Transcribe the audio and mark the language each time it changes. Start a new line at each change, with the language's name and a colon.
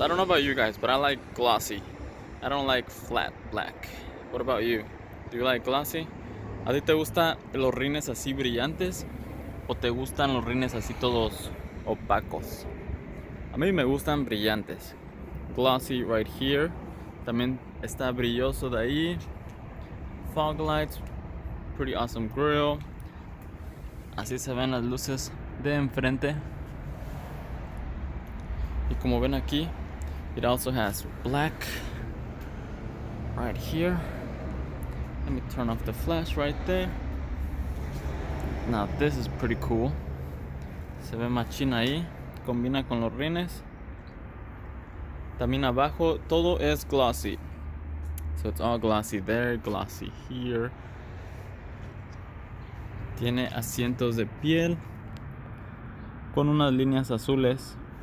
English: I don't know about you guys, but I like glossy. I don't like flat black. What about you? Do you like glossy?
Spanish: ¿A ti te gustan los rines así brillantes? ¿O te gustan los rines así todos opacos? A mí me gustan brillantes.
English: Glossy right here.
Spanish: También está brilloso de ahí.
English: Fog lights. Pretty awesome grill.
Spanish: Así se ven las luces de enfrente. Y como ven aquí,
English: it also has black right here. Let me turn off the flash right there. Now this is pretty cool.
Spanish: Se ve machín ahí, combina con los rines. También abajo, todo es glossy.
English: So it's all glossy there, glossy here.
Spanish: Tiene asientos de piel con unas líneas azules.